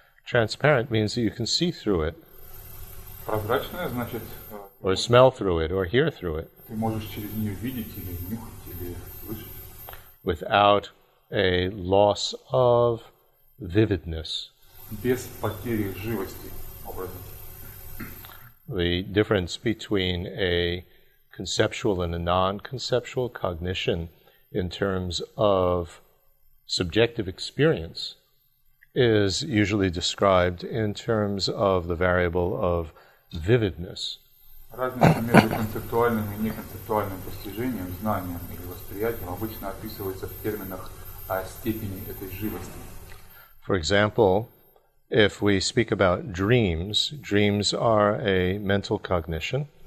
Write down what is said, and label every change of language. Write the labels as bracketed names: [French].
[English] Transparent means that you can see through it. [Russian] Прозрачное значит. [English] Or smell through it, or hear through it. [Russian] Ты можешь через нее видеть или нюхать или слышать. [English] Without a loss of vividness. [Russian] Без потери живости, образно. [English] The difference between a conceptual and a non-conceptual cognition in terms of subjective experience is usually described in terms of the variable of vividness. [Russian] Разница между концептуальным и неконцептуальным постижением, знанием или восприятием обычно описывается в терминах о степени этой живости. [English] For example, if we speak about dreams, dreams are a mental cognition.